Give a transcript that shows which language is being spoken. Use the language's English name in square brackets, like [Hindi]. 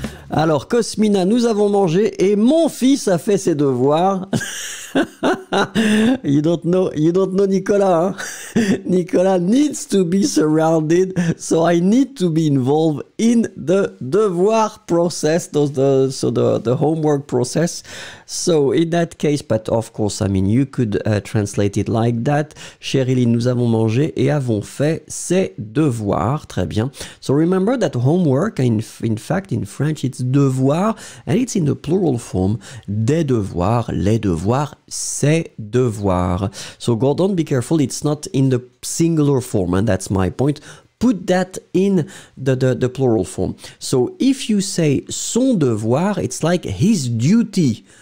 [French] Alors, Cosmina, nous avons mangé et mon fils a fait ses devoirs. [English] you don't know Nicolas. Hein? Nicolas needs to be surrounded, so I need to be involved in the devoir process, the homework process. So in that case, but of course, I mean, you could translate it like that. Cheryline, nous avons mangé et avons fait ses devoirs. [French] Très bien. [English] So remember that homework, in fact, in French, it's devoir, and it's in the plural form, des devoirs, les devoirs, ses devoirs. So Gordon, be careful, it's not in the singular form, and that's my point. Put that in the plural form. So if you say son devoir, it's like his duty.